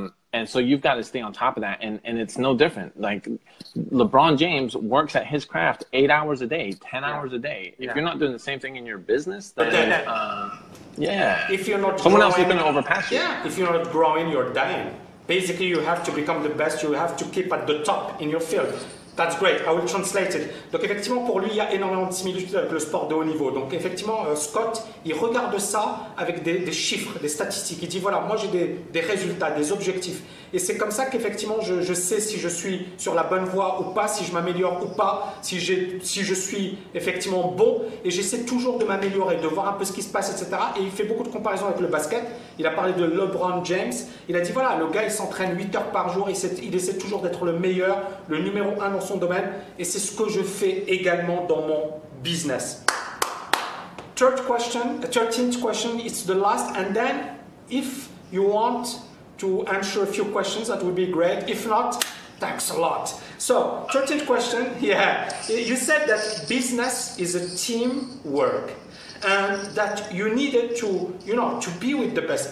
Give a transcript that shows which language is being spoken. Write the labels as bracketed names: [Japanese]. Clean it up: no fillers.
[English] And so you've got to stay on top of that. And it's no different. Like, LeBron James works at his craft 8 hours a day, 10 hours a day. If you're not doing the same thing in your business, then if you're not someone growing, else is going to overpass you. Yeah, if you're not growing, you're dying. Basically, you have to become the best. You have to keep at the top in your field. That's great. I will translate it. [French] Donc, effectivement, pour lui, il y a énormément de similitudes avec le sport de haut niveau. Donc, effectivement, Scott, il regarde ça avec des chiffres, des statistiques. Il dit, voilà, moi, j'ai des résultats, des objectifs. Et c'est comme ça qu'effectivement, je sais si je suis sur la bonne voie ou pas, si je m'améliore ou pas, si je suis effectivement bon. Et j'essaie toujours de m'améliorer, de voir un peu ce qui se passe, etc. Et il fait beaucoup de comparaisons avec le basket. Il a parlé de LeBron James. Il a dit, voilà, le gars, il s'entraîne 8 heures par jour. Il essaie toujours d'être le meilleur, le numéro 1 dans son domaine. Et c'est ce que je fais également dans mon business. [English] Third question, 13th question, it's the last. And then, if you want to answer a few questions, that would be great. If not, thanks a lot. So, 13th question, you said that business is a team work and that you needed to, you know, to be with the best.